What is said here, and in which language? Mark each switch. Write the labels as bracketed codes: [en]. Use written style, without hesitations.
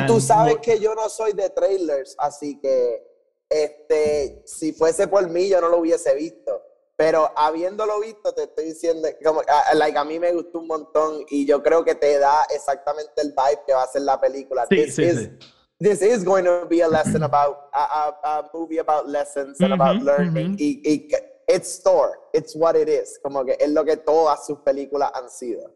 [es] No, tú sabes que yo no soy de trailers, así que si fuese por mí yo no lo hubiese visto. Pero habiéndolo visto, te estoy diciendo, como, [en] like, [es] a mí me gustó un montón y yo creo que te da exactamente el vibe que va a ser la película. Sí, [en] this [es] sí, [en] is, [es] sí. [en] This is going to be a lesson about, a movie about lessons and about learning. Mm-hmm. [es] Y [en] it's Thor, it's what it is. [es] Como que es lo que todas sus películas han sido.